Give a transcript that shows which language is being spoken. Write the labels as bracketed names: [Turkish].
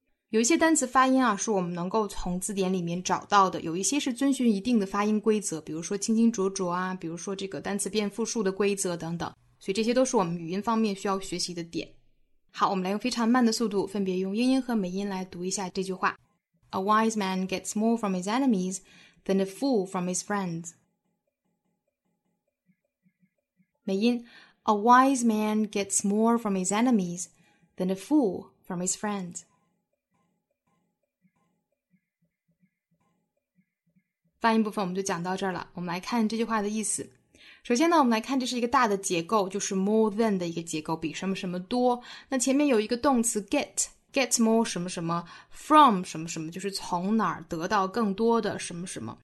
[Chinese] 有一些单词发音啊，是我们能够从字典里面找到的，有一些是遵循一定的发音规则，比如说清清浊浊啊，比如说这个单词变复数的规则等等，所以这些都是我们语音方面需要学习的点。好，我们来用非常慢的速度分别用英音和美音来读一下这句话。 [English] A wise man gets more from his enemies than a fool from his friends. 美音 A wise man gets more from his enemies than a fool from his friends. [Chinese] 发音部分我们就讲到这儿了，我们来看这句话的意思。首先呢，我们来看这是一个大的结构，就是 more than 的一个结构，比什么什么多。那前面有一个动词 get more 什么什么 from 什么什么，就是从哪儿得到更多的什么什么。